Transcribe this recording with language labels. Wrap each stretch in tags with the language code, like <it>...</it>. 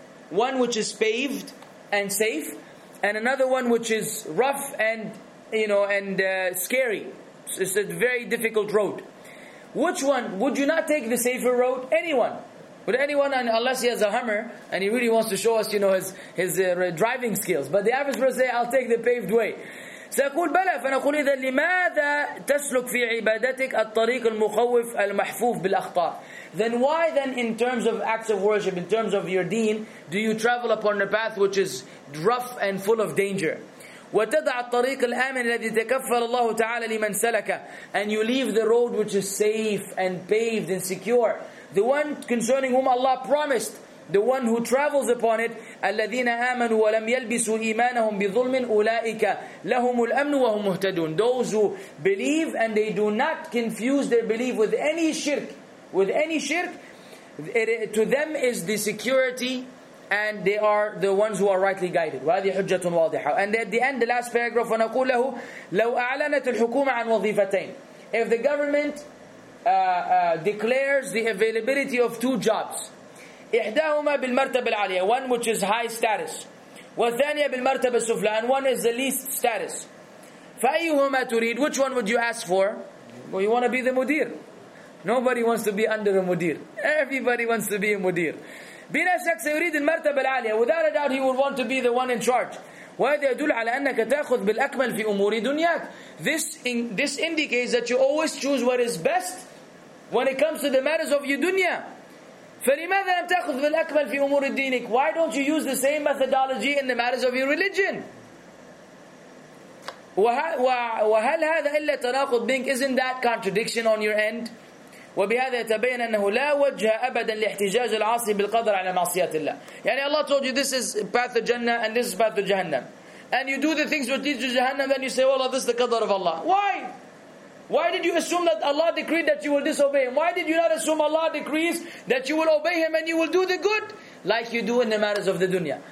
<en>One which is paved and safe, and another one which is rough and, you know, and scary. It's a very difficult road. Which one? Would you not take the safer road? Anyone. Would anyone, unless he has a Hummer, and he really wants to show us, you know, his driving skills. But the average person say, I'll take the paved way.</en> <ar>سأقول بلى فنقول إذا لماذا تسلك في عبادتك الطريق المخوف المحفوف بالأخطار.</ar> <en>Then why then in terms of acts of worship, in terms of your deen, do you travel upon a path which is rough and full of danger?</en> <ar>وتدع الطريق الآمن الذي تكفل الله تعالى لمن سلكه.</ar> <en>And you leave the road which is safe and paved and secure. The one concerning whom Allah promised. The one who travels upon it,</en> <ar>الذين آمنوا ولم يلبسوا إيمانهم بظلم أولئك لهم الأمن وهم مهتدون.</ar> <en>Those who believe and they do not confuse their belief with any shirk, it, to them is the security and they are the ones who are rightly guided.</en> <ar>وهذه حجة واضحة.</ar> <en>And at the end, the last paragraph,</en> <ar>ونقول له لو أعلنت الحكومة عن وظيفتين.</ar> <en>If the government declares the availability of two jobs,</en> <ar>إحداهما بالمرتبة العالية,</ar> <en>one which is high status,</en> <ar>والثانية بالمرتبة السفلى,</ar> <en>and one is the least status.</en> <ar>فأيهما تريد?</ar> <en>Which one would you ask for? Well, you want to be the مدير. Nobody wants to be under a مدير. Everybody wants to be a مدير.</en> <ar>بلا شك سيريد المرتبة العالية.</ar> <en>Without a doubt, he would want to be the one in charge.</en> <ar>وهذا يدل على أنك تأخذ بالأكمل في أمور دنياك.</ar> <en>This indicates that you always choose what is best when it comes to the matters of your dunya.</en> <ar>فلماذا لم تأخذ بالأكمل في أمور دينك?</ar> <en>Why don't you use the same methodology in the matters of your religion?</en> <ar>وهل هذا إلا تناقض بينك?</ar> <en>Isn't that contradiction on your end?</en> <ar>وبهذا يتبين أنه لا وجه أبدا لاحتجاج العاصي بالقدر على معصية الله.</ar> <en>يعني Allah told you this is path to Jannah and this is path to Jahannam. And you do the things which lead to Jahannam, then you say, well, this is the qadr of Allah. Why? Why did you assume that Allah decreed that you will disobey Him? Why did you not assume Allah decrees that you will obey Him and you will do the good like you do in the matters of the dunya?</en>